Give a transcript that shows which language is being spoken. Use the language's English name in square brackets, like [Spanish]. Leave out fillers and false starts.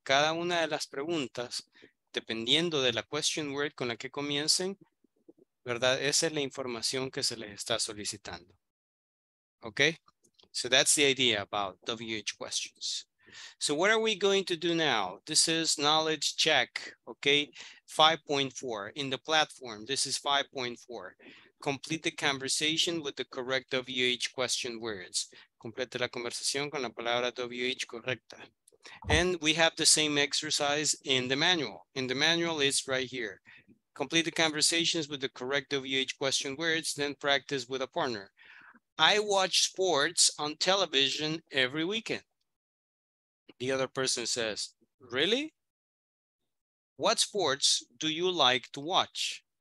[Spanish] Cada una de las preguntas, dependiendo de la question word con la que comiencen, ¿verdad? Esa es la información que se les está solicitando. [English] Okay, so that's the idea about WH questions. So what are we going to do now? This is knowledge check, okay? 5.4 in the platform, this is 5.4. Complete the conversation with the correct WH question words. [Spanish] Complete la conversación con la palabra WH correcta. [English] And we have the same exercise in the manual. In the manual, it's right here. Complete the conversations with the correct WH question words, then practice with a partner. I watch sports on television every weekend. The other person says, really? What sports do you like to watch?